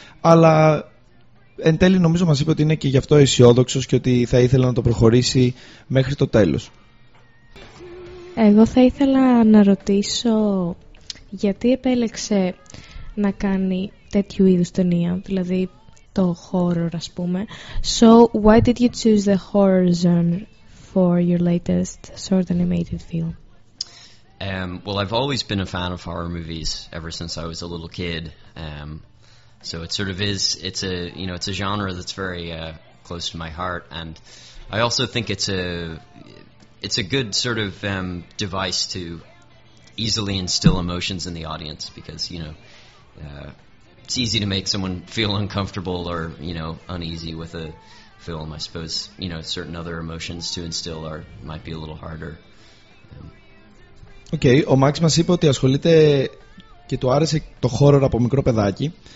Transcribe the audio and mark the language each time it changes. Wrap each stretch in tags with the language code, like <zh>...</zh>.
<el>Αλλά εν τέλει νομίζω μας είπε ότι είναι και γι' αυτό αισιόδοξος και ότι θα ήθελε να το προχωρήσει μέχρι το τέλος. Εγώ θα ήθελα να ρωτήσω γιατί επέλεξε να κάνει τέτοιου είδους ταινία, δηλαδή το horror, ας πούμε.</el> <en>So why did you choose the horror genre for your latest short animated film? Well, I've always been a fan of horror movies ever since I was a little kid. So it sort of is, it's a, you know, it's a genre that's very close to my heart. And I also think it's a good sort of device to easily instill emotions in the audience, because, you know, it's easy to make someone feel uncomfortable or, you know, uneasy with a film. I suppose, you know, certain other emotions to instill are might be a little harder.</en> <el>Okay, ο Μάξ μας είπε ότι ασχολείται και του άρεσε το horror από μικρό παιδάκι.</el>